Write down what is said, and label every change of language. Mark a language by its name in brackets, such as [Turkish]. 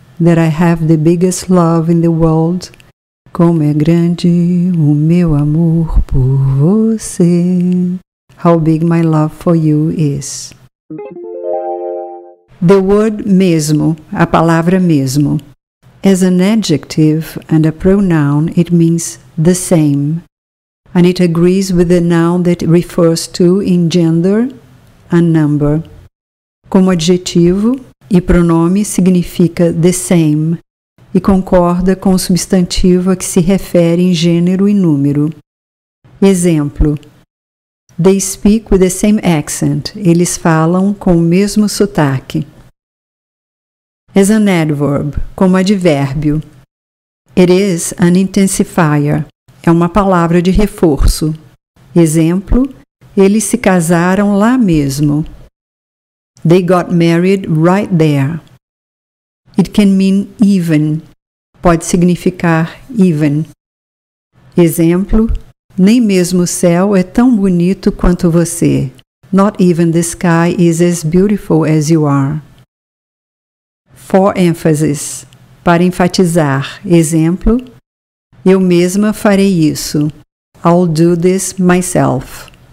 [English] That I have the biggest love in the world. [Portuguese] Como é grande o meu amor por você. [English] How big my love for you is. The word mesmo, [Portuguese] a palavra mesmo. [English] As an adjective and a pronoun, it means the same. And it agrees with the noun that it refers to in gender and number. [Portuguese] Como adjetivo e pronome significa [English] the same. [Portuguese] E concorda com o substantivo a que se refere em gênero e número. [English] Exemplo. They speak with the same accent. [Portuguese] Eles falam com o mesmo sotaque. [English] As an adverb, [Portuguese] como advérbio. [English] It is an intensifier. [Portuguese] É uma palavra de reforço. Exemplo, eles se casaram lá mesmo. [English] They got married right there. It can mean even. [Portuguese] Pode significar even. Exemplo, nem mesmo o céu é tão bonito quanto você. [English] Not even the sky is as beautiful as you are. For emphasis, [Portuguese] para enfatizar. Exemplo, eu mesma farei isso. [English] I'll do this myself.